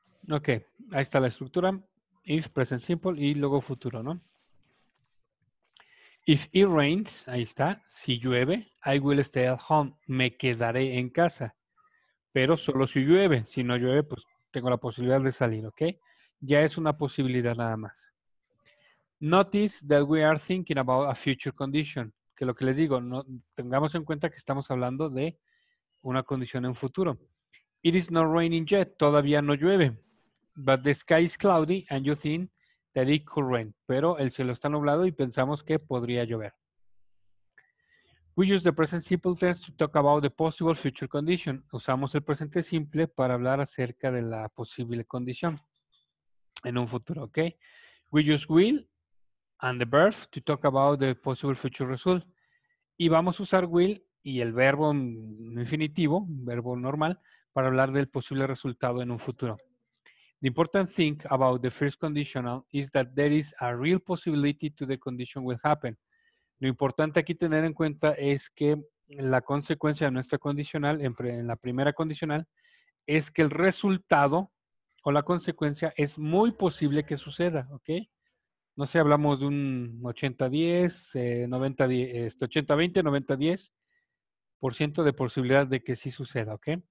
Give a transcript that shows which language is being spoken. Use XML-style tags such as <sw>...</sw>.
<es>Ok, ahí está la estructura. If, present simple y luego futuro, ¿no?</es> <en>If it rains,</en> <es>ahí está, si llueve,</es> <en>I will stay at home,</en> <es>me quedaré en casa. Pero solo si llueve, si no llueve, pues tengo la posibilidad de salir, ¿ok? Ya es una posibilidad nada más.</es> <en>Notice that we are thinking about a future condition.</en> <es>Que lo que les digo, no, tengamos en cuenta que estamos hablando de una condición en futuro.</es> <en>It is not raining yet,</en> <es>todavía no llueve.</es> <en>But the sky is cloudy and you think that it could rain.</en> <es>Pero el cielo está nublado y pensamos que podría llover.</es> <en>We use the present simple tense to talk about the possible future condition.</en> <es>Usamos el presente simple para hablar acerca de la posible condición en un futuro, ¿ok?</es> <en>We use will and the verb to talk about the possible future result.</en> <es>Y vamos a usar will y el verbo infinitivo, verbo normal, para hablar del posible resultado en un futuro.</es> <en>The important thing about the first conditional is that there is a real possibility to the condition will happen.</en> <es>Lo importante aquí tener en cuenta es que la consecuencia de nuestra condicional, en la primera condicional, es que el resultado o la consecuencia es muy posible que suceda, ¿ok? No sé, hablamos de un 80-10, 90-10, 80-20, 90-10% de posibilidad de que sí suceda, ¿ok?</es>